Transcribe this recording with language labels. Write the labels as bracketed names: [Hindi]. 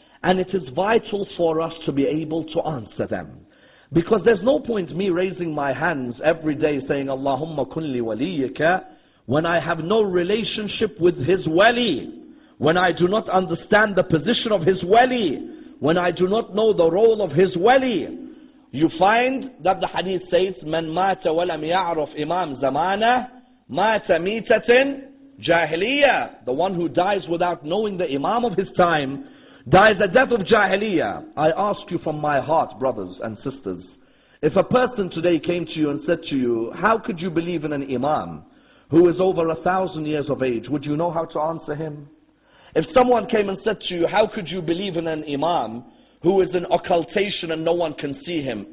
[English] And it is vital for us to be able to answer them. Because there's no point me raising my hands every day saying, [Arabic] Allahumma kun li waliyika, [English] when I have no relationship with his wali, when I do not understand the position of his wali, when I do not know the role of his wali. [Arabic] You find that the hadith says, من مات ولم يعرف إمام زمانه مات ميتة جاهلية. [English] The one who dies without knowing the Imam of his time dies a death of jahiliyyah. I ask you from my heart, brothers and sisters, if a person today came to you and said to you, how could you believe in an Imam who is over 1,000 years of age? Would you know how to answer him? If someone came and said to you, how could you believe in an Imam who is in occultation and no one can see him?